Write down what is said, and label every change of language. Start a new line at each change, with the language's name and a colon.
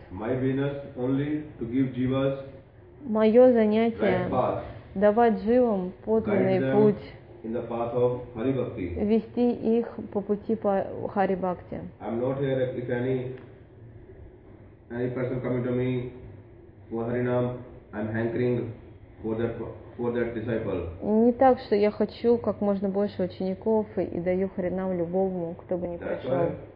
English: My business only to give jivas.
Russian: Мое занятие давать живым подлинный путь,
English: in the path of Hari Bhakti.
Russian: Вести их по пути по Хари Бхакти.
English: I'm not here if any person coming to me for Harinam, I'm hankering.
Russian: Не так, что я хочу как можно больше учеников и даю Харинам любому, кто бы ни пришел.